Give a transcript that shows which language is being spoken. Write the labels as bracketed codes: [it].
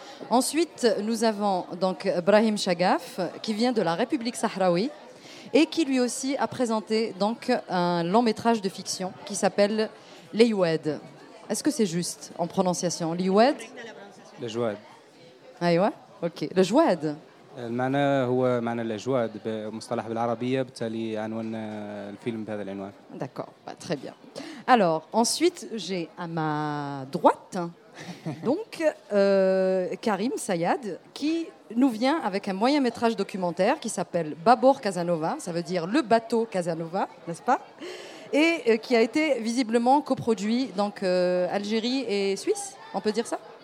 [fr] Ensuite, nous avons donc Brahim Chagaf, qui vient de la République Sahraoui et qui lui aussi a présenté donc un long métrage de fiction qui s'appelle Layoued. Est-ce que c'est juste en prononciation Layoued? Layoued. Ah ouais. OK. Layoued. [ar] المعنى هو معنى الأجواد بمصطلح بالعربية بالتالي عنوان الفيلم بهذا العنوان. [fr] D'accord, bah, très bien. Alors ensuite j'ai à ma droite donc Karim Sayad qui nous vient avec un moyen métrage documentaire qui s'appelle Babor Casanova, ça veut dire le bateau Casanova, n'est-ce pas? Et qui a été visiblement coproduit donc Algérie et Suisse, on peut dire ça?